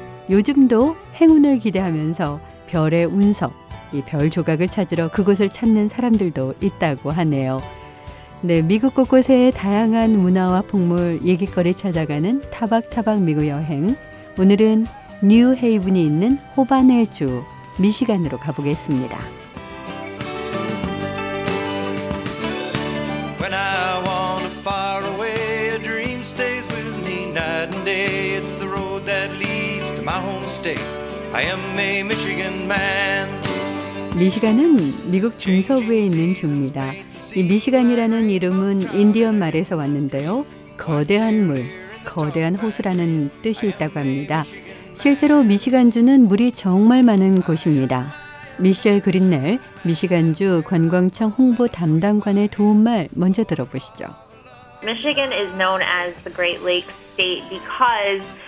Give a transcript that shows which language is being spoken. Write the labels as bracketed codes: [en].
[ko] 요즘도 행운을 기대하면서 별의 운석, 이 별 조각을 찾으러 그곳을 찾는 사람들도 있다고 하네요. 네, 미국 곳곳에 다양한 문화와 풍물, 얘기거리 찾아가는 타박타박 미국 여행. 오늘은 뉴헤이븐이 있는 호반의 주 미시간으로 가보겠습니다. [en] When I want a far away, a dream stays with me night and day. It's the road that leads to my home state. I am a Michigan man. [ko] 미시간은 미국 중서부에 있는 주입니다. 이 미시간이라는 이름은 인디언 말에서 왔는데요. 거대한 물, 거대한 호수라는 뜻이 있다고 합니다. 실제로 미시간주는 물이 정말 많은 곳입니다. 미셸 그린넬, 미시간주 관광청 홍보 담당관의 도움말 먼저 들어보시죠. [en] Michigan is known as the Great Lakes State because